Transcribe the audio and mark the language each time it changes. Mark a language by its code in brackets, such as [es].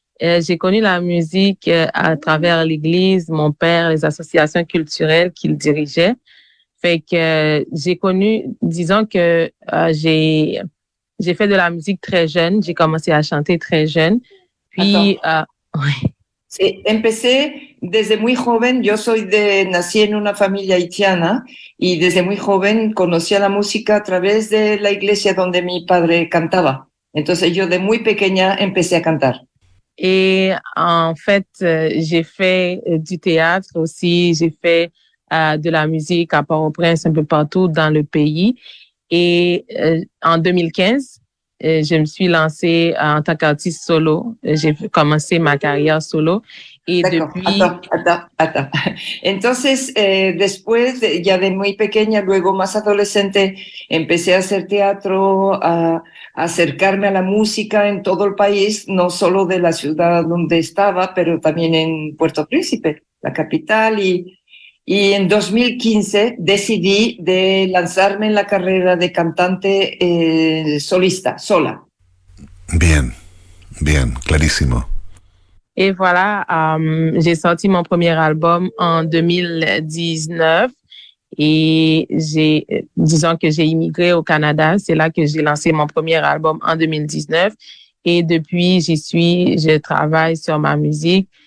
[fr] J'ai connu la musique à travers l'église, mon père, les associations culturelles qu'il dirigeait. Fait que j'ai connu, disons que j'ai fait de la musique très jeune. J'ai commencé à chanter très jeune. Puis, [es] Sí, empecé desde muy joven. Yo nací en una familia haitiana y desde muy joven conocí a la música a través de la iglesia donde mi padre cantaba. Entonces yo de muy pequeña empecé a cantar. [fr] Et en fait, j'ai fait du théâtre aussi, j'ai fait de la musique à Port-au-Prince, un peu partout dans le pays. Et en 2015, je me suis lancée en tant qu'artiste solo. J'ai commencé ma carrière solo. Et depuis... Attends. [es] Entonces, después, ya de muy pequeña, luego más adolescente, empecé a hacer teatro, a acercarme a la música en todo el país, no solo de la ciudad donde estaba, pero también en Puerto Príncipe, la capital. Y en 2015 decidí de lanzarme en la carrera de cantante solista, sola. Bien, bien, clarísimo. [fr] Y voilà, j'ai sorti mon premier album en 2019. Et j'ai immigré au Canada, c'est là que j'ai lancé mon premier album en 2019. Et depuis, je travaille sur ma musique.